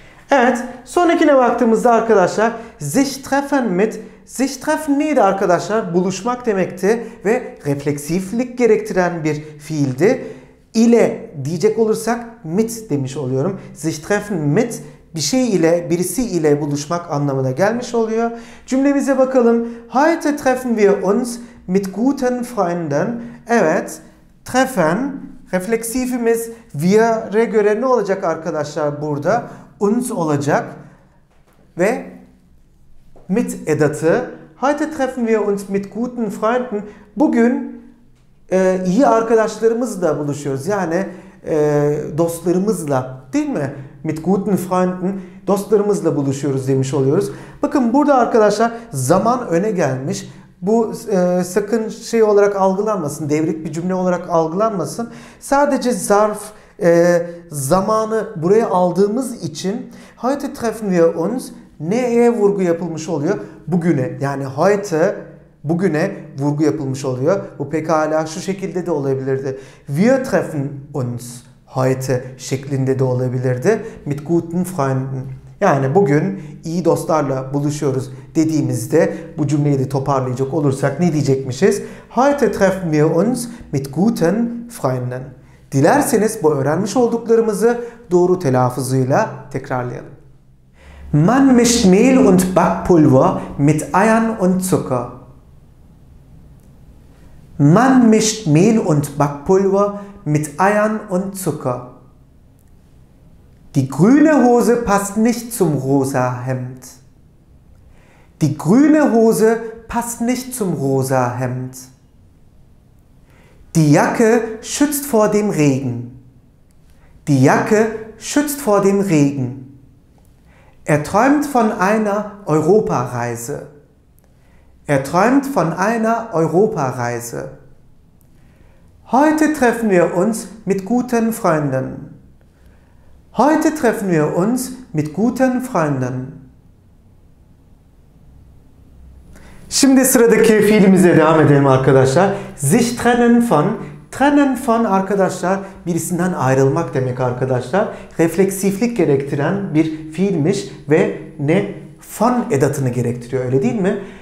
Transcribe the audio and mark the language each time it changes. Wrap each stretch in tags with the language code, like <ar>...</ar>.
<tr>Evet, sonrakine baktığımızda arkadaşlar sich treffen mit, sich treffen neydi arkadaşlar? Buluşmak demekti ve refleksiflik gerektiren bir fiildi. İle diyecek olursak mit demiş oluyorum. Sich treffen mit, bir şey ile, birisi ile buluşmak anlamına gelmiş oluyor. Cümlemize bakalım.</tr> <de>Heute treffen wir uns mit guten Freunden.</de> <tr>Evet, treffen, refleksifimiz wir'e göre ne olacak arkadaşlar burada? Uns olacak ve mit edatı.</tr> <de>Heute treffen wir uns mit guten Freunden.</de> <tr>Bugün iyi arkadaşlarımızla buluşuyoruz. Yani dostlarımızla, değil mi?</tr> <de>Mit guten Freunden,</de> <tr>dostlarımızla buluşuyoruz demiş oluyoruz. Bakın burada arkadaşlar zaman öne gelmiş. Bu sakın şey olarak algılanmasın, devrik bir cümle olarak algılanmasın. Sadece zarf, zamanı buraya aldığımız için</tr> <de>heute treffen wir uns,</de> <tr>neye vurgu yapılmış oluyor? Bugüne, yani heute, bugüne vurgu yapılmış oluyor. Bu pekala şu şekilde de olabilirdi.</tr> <de>Wir treffen uns heute</de> <tr>şeklinde de olabilirdi.</tr> <de>Mit guten Freunden.</de> <tr>Yani bugün iyi dostlarla buluşuyoruz dediğimizde bu cümleyi de toparlayacak olursak ne diyecekmişiz?</tr> <de>Heute treffen wir uns mit guten Freunden.</de> <tr>Dilerseniz bu öğrenmiş olduklarımızı doğru telaffuzuyla tekrarlayalım.</tr> <de>Man mischt Mehl und Backpulver mit Eiern und Zucker. Man mischt Mehl und Backpulver mit Eiern und Zucker. Die grüne Hose passt nicht zum rosa Hemd. Die grüne Hose passt nicht zum rosa Hemd. Die Jacke schützt vor dem Regen. Die Jacke schützt vor dem Regen. Er träumt von einer Europareise. Er träumt von einer Europareise. Heute treffen wir uns mit guten Freunden. Heute treffen wir uns mit guten Freunden.</de> <tr>Şimdi sıradaki fiilimize devam edelim arkadaşlar. Sich trennen von, trennen von arkadaşlar birisinden ayrılmak demek arkadaşlar. Refleksiflik gerektiren bir fiilmiş ve ne von edatını gerektiriyor, öyle değil mi?</tr>